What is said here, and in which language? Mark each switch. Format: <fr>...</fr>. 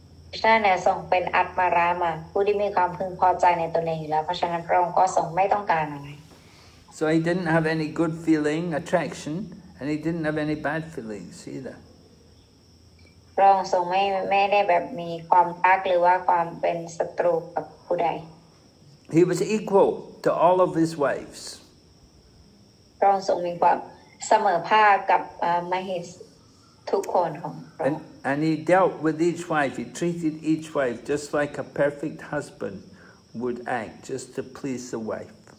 <th>Krishna เนี่ยทรงเป็นอัตมารามะผู้ที่มีความพึงพอใจในตนเองอยู่แล้วเพราะฉะนั้นพระองค์ก็ทรงไม่ต้องการอะไร</th> <en>So he didn't have any good feeling attraction and he didn't have any bad feelings either</en> <th>พระองค์ทรงไม่ได้แบบมีความรักหรือว่าความเป็นศัตรูกับผู้ใด</th> <en>He was equal to all of his wives</en> <th>พระองค์ทรงมีความเสมอภาคกับมเหสีทุกคนของพระองค์</th> <en>And he dealt with each wife, he treated each wife just like a perfect husband would act, just to please the wife.</en>